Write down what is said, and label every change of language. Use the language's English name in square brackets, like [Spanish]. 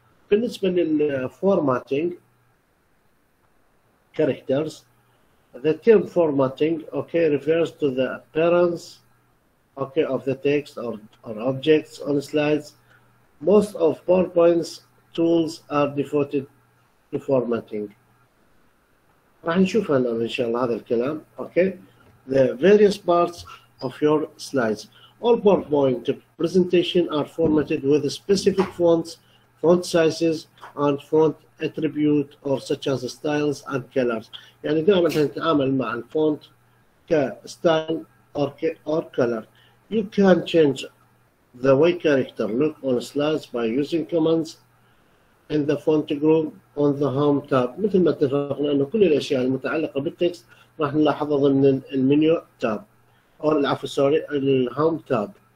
[Arabic] بالنسبه للفورماتنج كاركترز، [English] the term formatting okay refers to the appearance okay of the text or objects on slides. Most of PowerPoint's tools are devoted to formatting. [Arabic] راح نشوف هلا ان شاء الله هذا الكلام اوكي. [English] The various parts of your slides. All PowerPoint presentation are formatted with specific fonts, font sizes and font attribute or such as styles and colors. [Arabic] يعني دائما نتعامل مع الفونت كستايل [English] or color. You can change the way character look on slides by using commands in the font group on the home tab. [Arabic] مثل ما اتفقنا انه كل الاشياء المتعلقه بالتكست راح نلاحظها ضمن المنيو تاب، او العفو سوري الهوم تاب.